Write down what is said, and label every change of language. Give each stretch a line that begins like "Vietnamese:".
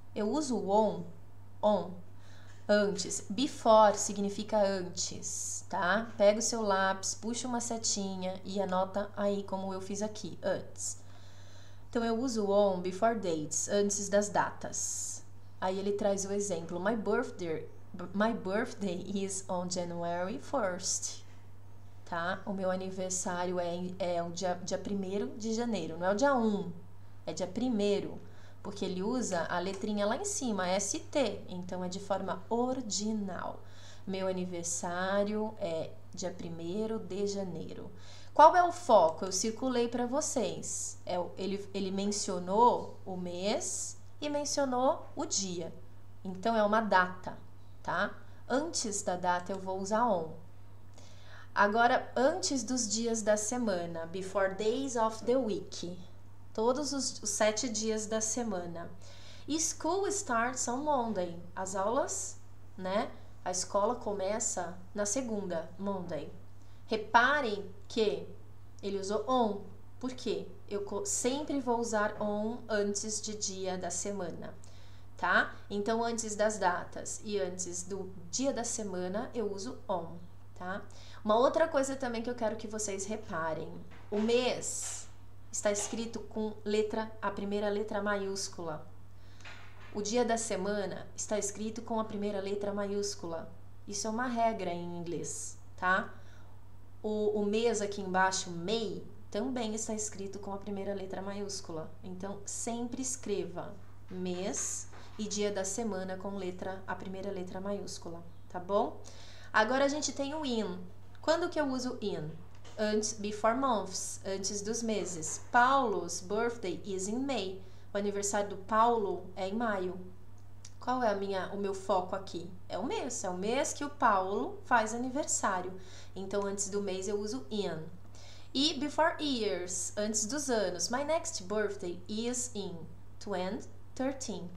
Portuguese: Eu uso o on, antes. Before significa antes, tá? Pega o seu lápis, puxa uma setinha e anota aí como eu fiz aqui, antes. Então eu uso
English: on before dates,
Portuguese: antes das datas. Aí ele traz o exemplo:
English: My birthday is on January 1st.
Portuguese: Tá? O meu aniversário é o dia 1º de janeiro. Não é o dia 1, é dia 1º. Porque ele usa a letrinha lá em cima, ST. Então é de forma ordinal. Meu aniversário é dia 1º de janeiro. Qual é o foco? Eu circulei para vocês. Ele mencionou o mês e mencionou o dia. Então é uma data, tá? Antes da data eu vou usar on. Agora, antes dos dias da semana,
English: before days of the week,
Portuguese: todos os 7 dias da semana.
English: School starts on Monday.
Portuguese: As aulas, né? A escola começa na segunda, Monday. Reparem que ele usou on, por quê? Eu sempre vou usar on antes de dia da semana, tá? Então, antes das datas e antes do dia da semana, eu uso on, tá? Uma outra coisa também que eu quero que vocês reparem: o mês está escrito com a primeira letra maiúscula. O dia da semana está escrito com a primeira letra maiúscula. Isso é uma regra em inglês, tá? O mês aqui embaixo, May, também está escrito com a primeira letra maiúscula. Então, sempre escreva mês e dia da semana com a primeira letra maiúscula, tá bom? Agora a gente tem o in. Quando que eu uso in? Antes,
English: before months,
Portuguese: antes dos meses.
English: Paulo's birthday is in May.
Portuguese: O aniversário do Paulo é em maio. Qual é o meu foco aqui? É o mês que o Paulo faz aniversário. Então, antes do mês eu uso in. E
English: before years,
Portuguese: antes dos anos.
English: My next birthday is in 2013.